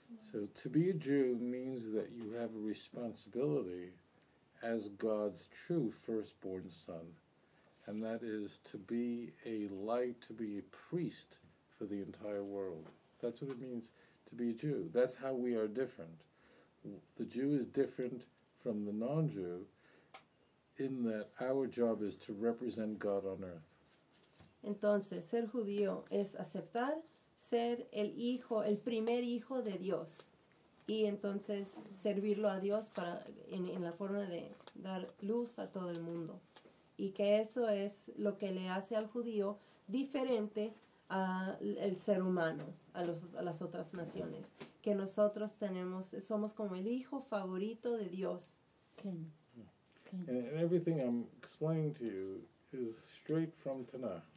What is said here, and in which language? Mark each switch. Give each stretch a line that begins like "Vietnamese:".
English: So to be a Jew means that you have a responsibility as God's true firstborn son, and that is to be a light, to be a priest for the entire world. That's what it means to be a Jew. That's how we are different. The Jew is different from the non-Jew in that our job is to represent God on earth.
Spanish: Entonces, ser judío es aceptar ser el hijo, el primer hijo de Dios, y entonces servirlo a Dios para en la forma de dar luz a todo el mundo, y que eso es lo que le hace al judío diferente a el ser humano, a las otras naciones, que nosotros somos como el hijo favorito de Dios.
English: And everything I'm explaining to you is straight from Tanakh.